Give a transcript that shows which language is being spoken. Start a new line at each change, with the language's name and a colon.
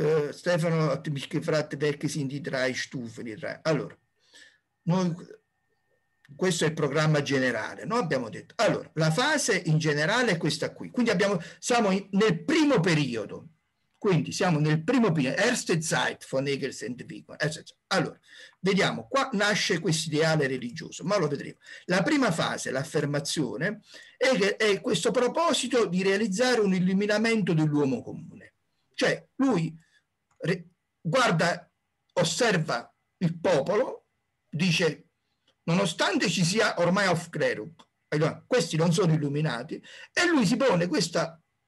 German: Stefano hat mich gefragt, welche sind die drei Stufen, die drei.
Italian: Allora, noi, questo è il programma generale, no? Abbiamo detto. Allora, la fase in generale è questa qui. Quindi siamo nel primo periodo. Quindi siamo nel primo periodo.
German: Erste Zeit von Hegels und Bacon.
Italian: Allora, vediamo, qua nasce questo ideale religioso, ma lo vedremo. La prima fase, l'affermazione, è questo proposito di realizzare un illuminamento dell'uomo comune. Cioè, lui guarda, osserva il popolo, dice, nonostante ci sia ormai Aufklärung, questi non sono illuminati, e lui si pone questa...